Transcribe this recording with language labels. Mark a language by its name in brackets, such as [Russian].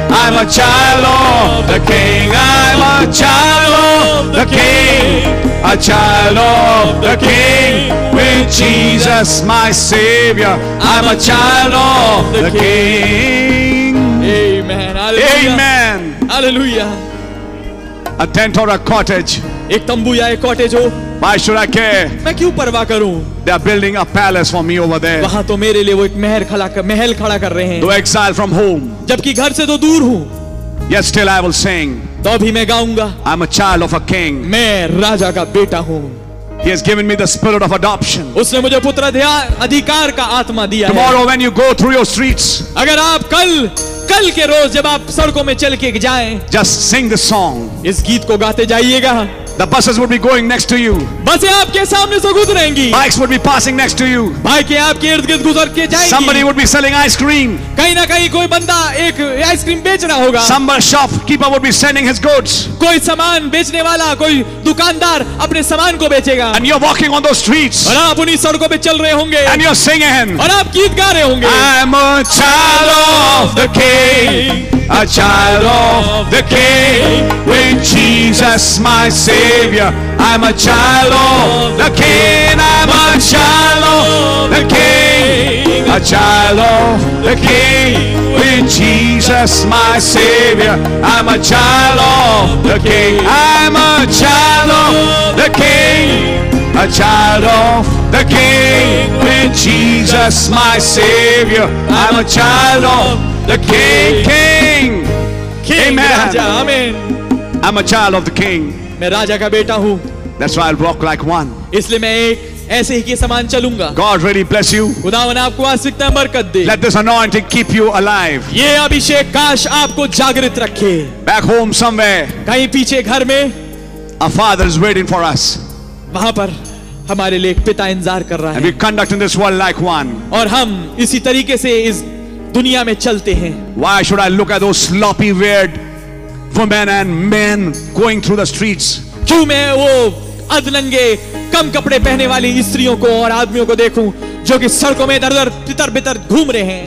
[English] I'm a child of the King, I'm a child of the King, a child of the King, with Jesus my Savior. I'm a child of the King. Amen. Hallelujah. Amen. Hallelujah. A tent or a cottage. [Hindi] एक तंबू या एक cottage हो. [English] Why should I care? [Hindi] मैं क्यों परवाह करूं? [English] They are building a palace for me over there. [Hindi] वहां तो मेरे लिए वो एक महल खड़ा कर रहे हैं. [English] Though exiled from home. [Hindi] जबकि घर से तो दूर हूं. [English] Yet still I will sing. [Hindi] तो भी मैं गाऊंगा. [English] I'm a child of a King. [Hindi] मैं राजा का बेटा हूं. [English] He has given me the spirit of adoption. [Hindi] उसने मुझे पुत्र अधिकार का आत्मा दिया. [English] Tomorrow when you go through your streets. [Hindi] अगर आप कल के रोज जब आप सड़कों में चल के जाएं. [English] Just sing the song. [Hindi] इस गीत को गाते जाइएगा. [English] The buses would be going next to you. [Hindi] बसें आपके सामने से गुजरेंगी. [English] Bikes would be passing next to you. [Hindi] बाइकें आपके इर्द-गिर्द गुजर के जाएंगी. [English] Somebody would be selling ice cream. [Hindi] कहीं ना कहीं कोई बंदा एक आइसक्रीम बेच रहा होगा. [English] Some shopkeeper would be sending his goods. [Hindi] कोई सामान बेचने वाला कोई दुकानदार अपने सामान को बेचेगा. [English] And you're walking on those streets. [Hindi] और आप उन्हीं सड़कों पे चल रहे होंगे. [English] And you're singing. [Hindi] और आप गीत गा रहे होंगे. [English] I'm a child of the King. A child of the King, with Jesus my Savior. I'm a child of the King, I'm a child of the King, a child of the King, with Jesus my Savior. I'm a child of the King, I'm a child of the King, a child of the King, with Jesus my Savior. I'm a child of the King, King, King. Amen. Raja, amen. I'm a child of the King. [Hindi] मैं राजा का बेटा हूँ. [English] That's why I'll walk like one. [Hindi] इसलिए मैं एक ऐसे ही के समान चलूंगा. [English] God really bless you. [Hindi] खुदावन आपको आशीषता बरकत दे. [English] Let this anointing keep you alive. [Hindi] ये अभिषेक काश आपको जागृत रखे. [English] Back home somewhere. [Hindi] कहीं पीछे घर में. [English] A father is waiting for us. [Hindi] वहाँ पर हमारे लिए पिता इंतजार कर रहा है. [English] And we conduct in this world like one. [Hindi] और हम इसी तरीके से इस दुनिया में चलते हैं. [English] Why should I look at those sloppy, weird women and men going through the streets? [Hindi] क्यों मैं वो अधलंगे, कम कपड़े पहने वाली स्त्रियों को और आदमियों को देखूं, जो कि सड़कों में इधर-उधर तितर-बितर घूम रहे हैं?